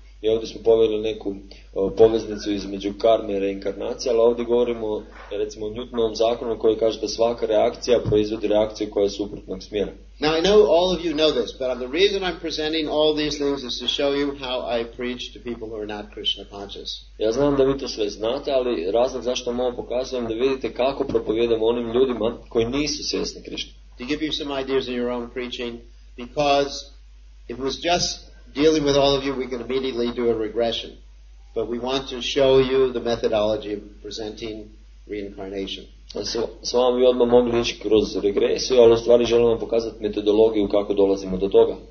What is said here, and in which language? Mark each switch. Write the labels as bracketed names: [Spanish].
[Croatian] I ovdje smo poveli neku poveznicu između karme i reinkarnacije, ali ovdje govorimo recimo o Newtonovom zakonu koji kaže da svaka reakcija proizvodi reakciju koja je suprotnog smjera. [English] Now I know all of you know this, but the reason I'm presenting all these things is to show you how I preach to people who are not Krishna conscious. [Croatian] Ja znam da vi to sve znate, ali razlog zašto vam ovo pokazujem da vidite kako propovijedam onim ljudima koji nisu svjesni Krishna. [English] To give you some ideas in your own preaching, because it was just dealing with all of you, we can immediately do a regression. But we want to show you the methodology of presenting reincarnation. [Croatian] S vama bi odmah mogli ići kroz regresiju, ali u stvari želimo pokazati metodologiju kako dolazimo do toga.